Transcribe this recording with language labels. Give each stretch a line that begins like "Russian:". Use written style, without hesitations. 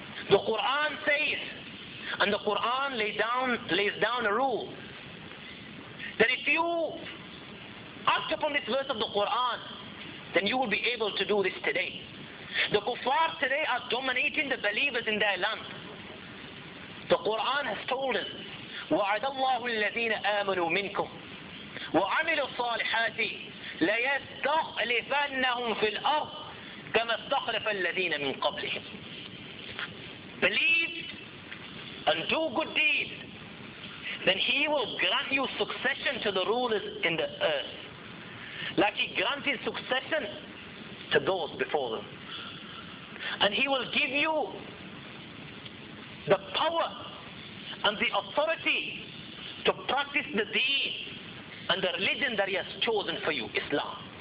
English: The Quran says, and the Quran lays down a rule, that if you act upon this verse of the Quran, then you will be able to do this today. The kuffar today are dominating the believers in their land. The Quran has told us,
Arabic: وَعَدَ اللَّهُ الَّذِينَ آمَنُوا مِنْكُمْ وَعَمِلُوا الصَّالِحَاتِ لَيَسْتَخْلِفَنَّهُمْ فِي الْأَرْضِ كَمَا اسْتَخْلَفَ الَّذِينَ مِنْ قَبْلِهِمْ.
English: Believe and do good deeds, then he will grant you succession to the rulers in the earth, like he granted succession to those before them. And he will give you the power and the authority to practice the deeds and the religion that he has chosen for you, Islam.